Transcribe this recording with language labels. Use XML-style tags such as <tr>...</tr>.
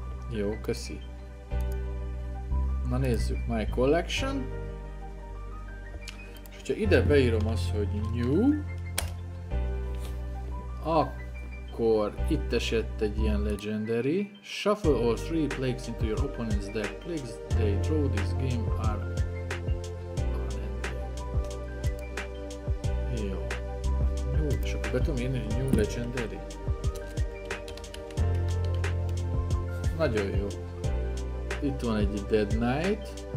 <hu>Jó, köszi. Na nézzük, My Collection. És hogyha ide beírom azt, hogy New, akkor itt esett egy ilyen legendary.</hu> <en>Shuffle all three plagues into your opponent's deck. Plagues they draw this game are unending.</en> <hu>Jó. Jó, és akkor be tudom írni, hogy new legendary. Nagyon jó. Itt van egy Dead Knight.</hu>